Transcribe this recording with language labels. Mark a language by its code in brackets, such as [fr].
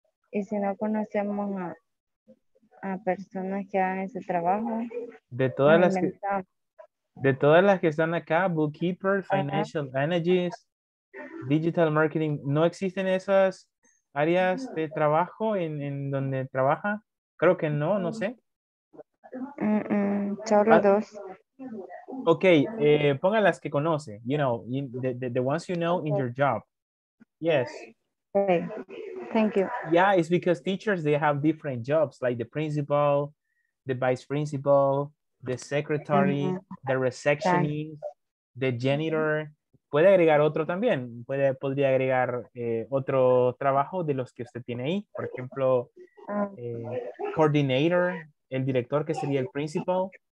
[es] Y si no conocemos a personas que hagan ese trabajo. De todas las que están acá, bookkeeper, financial energies, digital marketing, ¿no existen esas áreas de trabajo en donde trabaja? Creo que no, no sé. Solo dos. [en] Ok, [es] ponga las que conoce, [en] you know, the ones you know in your job. Yes. Okay, thank you. Yeah, it's because teachers, they have different jobs, like the principal, the vice principal, the secretary, the receptionist, the janitor. [es] Puede agregar otro también, podría agregar otro trabajo de los que usted tiene ahí, por ejemplo, coordinator, el director que sería el principal.